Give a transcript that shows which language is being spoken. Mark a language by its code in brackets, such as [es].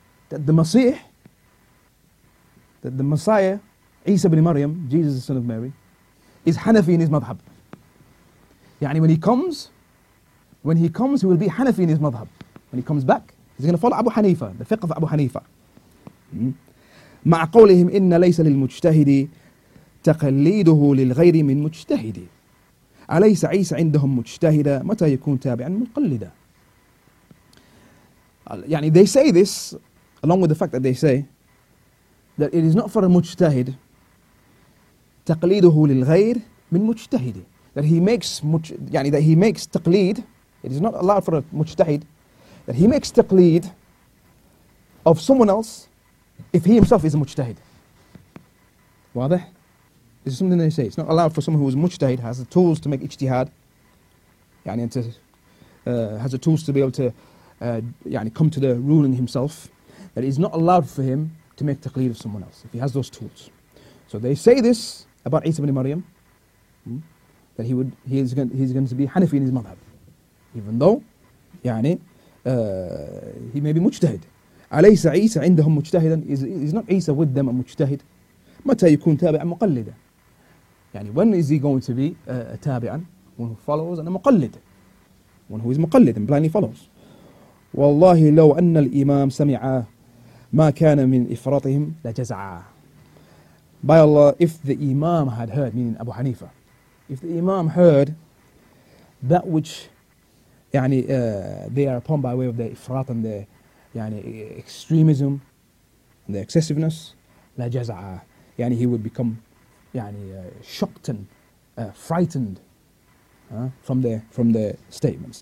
[en] That the Masih, that the Messiah, Isa ibn Maryam, Jesus the son of Mary, is Hanafi in his madhab. When he comes, he will be Hanafi in his madhab. When he comes back, he's going to follow Abu Hanifa, the fiqh of Abu Hanifa. [ar] مع قولهم إن ليس للمجتهد تقليده للغير من مجتهد أليس عيسى عندهم مجتهدا متى يكون تابعا مقلدا. [en] They say this along with the fact that they say that it is not for a mujtahid [ar] تقليده للغير من مجتهد [en] that he makes تقليد. It is not allowed for a mujtahid that he makes تقليد of someone else if he himself is a mujtahid. [ar] Wadih? [en] This is something they say. It's not allowed for someone who is mujtahid, has the tools to make ijtihad, has the tools to be able to come to the ruling himself, that it is not allowed for him to make taqleed of someone else, if he has those tools. So they say this about Isa ibn Maryam, that he's going to be Hanafi in his madhab, even though he may be mujtahid. [ar] أليس عيسى عندهم مجتهدا [en] is not [ar] عيسى [en] with them a [ar] مجتهد متى يكون تابعا مقلدا [en] when is he going to be a [ar] تابعا [en] one who follows and a مقلد one who is [ar] مقلد [en] and blindly follows [ar] والله لو أن الإمام سمع ما كان من إفراطهم لجزع [en] by Allah if the Imam had heard meaning Abu Hanifa if the Imam heard that which they are upon by way of their إفراط and their extremism and the excessiveness [ar] la jaza'a [en] he would become shocked and frightened from their statements.